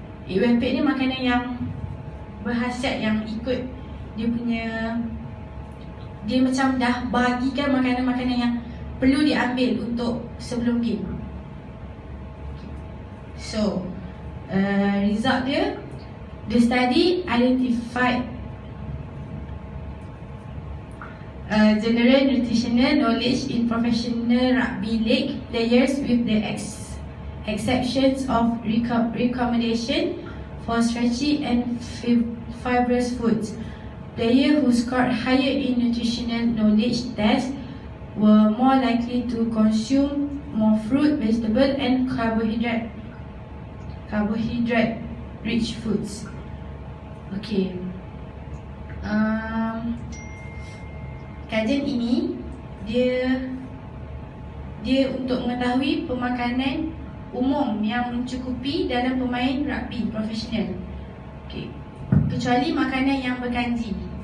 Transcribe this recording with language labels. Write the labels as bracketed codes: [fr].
[ms] Eat Well Plate ni makanan yang berhasiat, yang ikut dia punya, dia macam dah bagikan makanan-makanan yang perlu diambil untuk sebelum game. [en] So, result dia, the study identified general nutritional knowledge in professional rugby league players with the exceptions of recommendation for stretchy and fibrous foods. Players who scored higher in nutritional knowledge tests were more likely to consume more fruit, vegetable and carbohydrate-rich foods. Okay. [ms] Kajian ini dia untuk mengetahui pemakanan umum yang mencukupi dalam pemain rugby profesional. Okay. Kecuali makanan yang berkanji.